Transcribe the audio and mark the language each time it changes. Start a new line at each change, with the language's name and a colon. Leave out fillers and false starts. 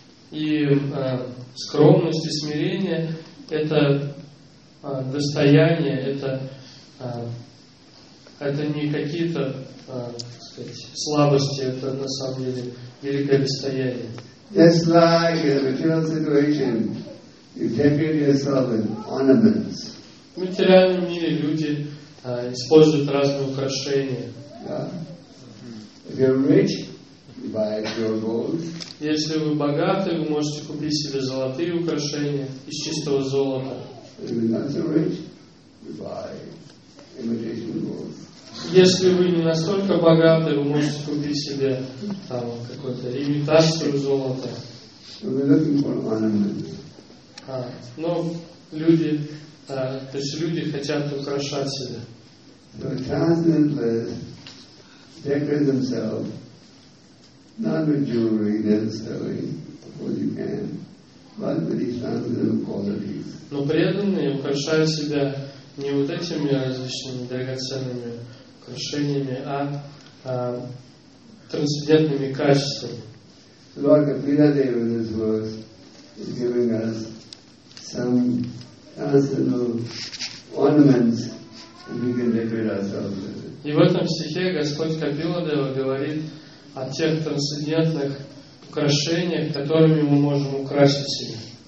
Russian: И скромность и смирение — это достояние, это не какие-то, так сказать, слабости, это на самом деле великое достояние.
English: Just like in a material situation, you decorate yourself with ornaments.
Russian: В материальном мире люди используют разные украшения.
English: Yeah. If you're rich, you buy pure gold.
Russian: Если вы богаты, вы можете купить себе золотые украшения из чистого золота.
English: If you're not so rich, you buy imitation gold.
Russian: Если вы не настолько богаты, вы можете купить себе там какую-то имитацию золота.
English: We're looking for ornaments.
Russian: Но люди, то есть люди хотят украшать себя.
English: So transcendentalists decorate themselves not with jewelry necessarily, what you can, but with these transcendental qualities.
Russian: Но преданные украшают себя не вот этими различными драгоценными украшениями, а трансцендентными качествами.
English: Lord Kapila Deva, this verse, is giving us some transcendental ornaments that we can decorate ourselves with.
Russian: И в этом стихе Господь Капила Дева говорит о тех трансцендентных украшениях, которыми мы можем украсить себя.